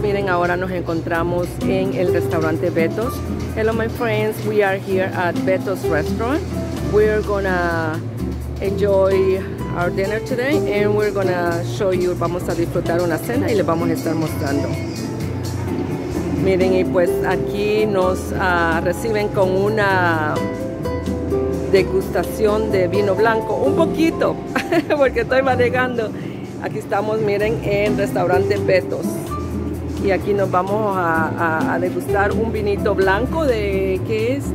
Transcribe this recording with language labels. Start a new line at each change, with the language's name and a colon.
Spanish: Miren, ahora nos encontramos en el restaurante Beto's.
English: Hello, my friends. We are here at Beto's restaurant. We're gonna enjoy our dinner today and we're gonna show you.
Spanish: Vamos a disfrutar una cena y les vamos a estar mostrando. Miren, y pues aquí nos reciben con una degustación de vino blanco, un poquito, porque estoy manejando. Aquí estamos, miren, en restaurante Beto's. Y aquí nos vamos a degustar un vinito blanco de, ¿qué es?